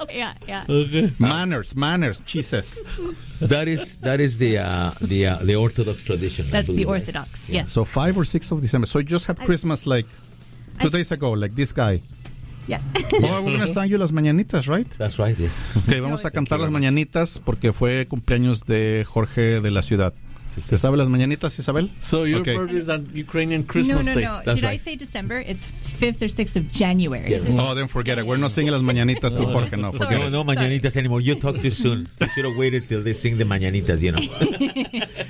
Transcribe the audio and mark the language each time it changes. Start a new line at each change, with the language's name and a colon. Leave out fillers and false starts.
English: Yeah, yeah. Manners, Jesus. That is the Orthodox tradition. That's the Orthodox, right? Yes. So 5 or 6 of December. So you just had Christmas like 2 days ago, like this guy. Yeah. Oh, we're going to sing you Las Mañanitas, right? That's right, yes.
Spanish: Okay, vamos a cantar Las Mañanitas porque fue cumpleaños de Jorge de la Ciudad. ¿Te sabe las mañanitas, Isabel?
English: So your birthday is on Ukrainian Christmas Day. No. That's I say December? It's 5th or 6th of January. Yes. Oh, then forget it. We're not singing las mañanitas to Jorge. No, forget no mañanitas anymore. You talk too soon. You should have waited till they sing the mañanitas, you know.